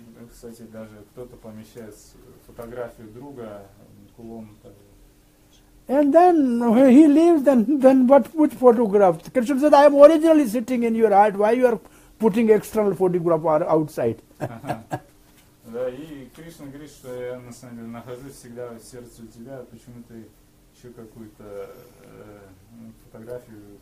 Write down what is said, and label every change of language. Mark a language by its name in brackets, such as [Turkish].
[Russian] Кстати, даже кто-то помещает фотографию друга, кулон. [English] And then he leaves, then which photograph? Krishna said, I am originally sitting in your heart, why you are putting external photograph outside? [Russian] Да, и Кришна говорит, что я на самом деле нахожусь всегда в сердце у тебя, почему ты еще какую-то фотографию.